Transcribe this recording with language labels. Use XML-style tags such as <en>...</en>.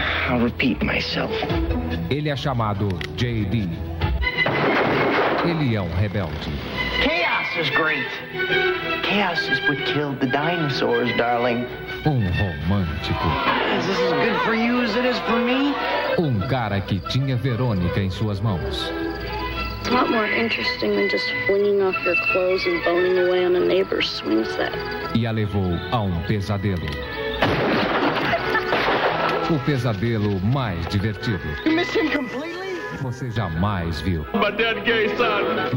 <en>I'll repeat myself.</en> <pt>Ele é chamado J.D. Ele é um rebelde.</pt> <en>Chaos is great. Chaos is what killed the dinosaurs, darling.</en> <pt>Um romântico.</pt> <en>Is this as good for you as it is for me?</en> <pt>Um cara que tinha Verônica em suas mãos.</pt> <en>It's a lot more interesting than just flinging off your clothes and boning away on a neighbor's swing set.</en> <pt>E a levou a um pesadelo. O pesadelo mais divertido.</pt> <en>You miss him completely?</en> <pt>Você jamais viu.</pt> <en>My dead gay son.</en>